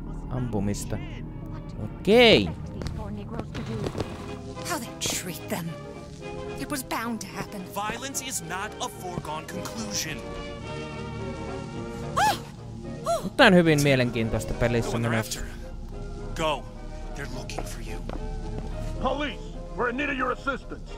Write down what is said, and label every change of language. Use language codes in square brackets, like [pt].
[fi] Ampumista. Okei. [en] How they treat them. It was bound to happen. Violence is not a foregone conclusion. [fi] Mutta on hyvin mielenkiintoista pelissä menossa. [en] Go. They're looking for you. Police, we're in need of your assistance.